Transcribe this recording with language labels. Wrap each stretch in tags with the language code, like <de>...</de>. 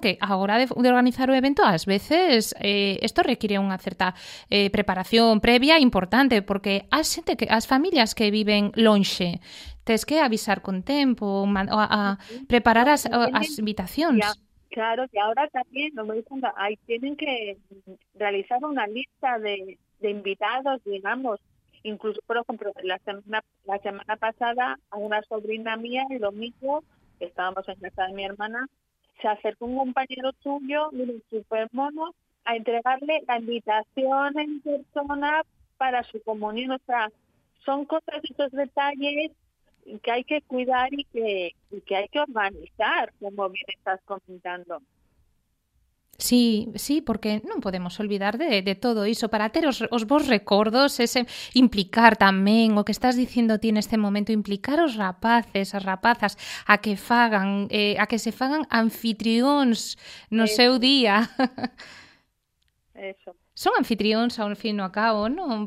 <gl>Que a hora de organizar o evento, ás veces, isto require unha certa preparación previa importante, porque as familias que viven lonxe, tes que avisar con tempo, preparar as invitacións. Claro, e agora tamén, non me dicen, aí tienen que realizar unha lista de invitados, digamos.</gl> <es>Incluso, por ejemplo, la semana pasada, a una sobrina mía, el domingo, que estábamos en casa de mi hermana, se acercó un compañero suyo, un super mono, a entregarle la invitación en persona para su comunión. O sea, son cosas, esos detalles que hay que cuidar y que hay que organizar, como bien estás comentando.</es> <gl>Sí, porque non podemos olvidar de todo iso. Para ter os vos recordos, ese implicar tamén o que estás dicindo ti neste momento, implicar os rapaces, as rapazas, a que fagan, a que se fagan anfitrións no eso. Seu día. Eso. Son anfitrións ao fin e ao cabo, non?</gl>